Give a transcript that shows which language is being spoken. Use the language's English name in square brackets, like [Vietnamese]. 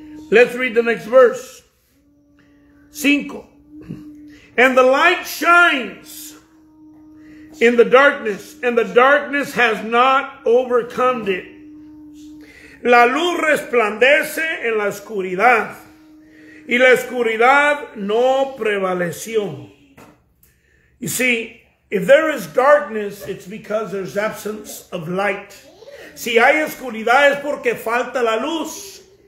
[English] Let's read the next verse. 5. And the light shines in the darkness, and the darkness has not overcome it. [Spanish] La luz resplandece en la oscuridad, y la oscuridad no prevaleció. [English] You see, if there is darkness, it's because there's absence of light. [Spanish] Si hay oscuridad, es porque falta la luz.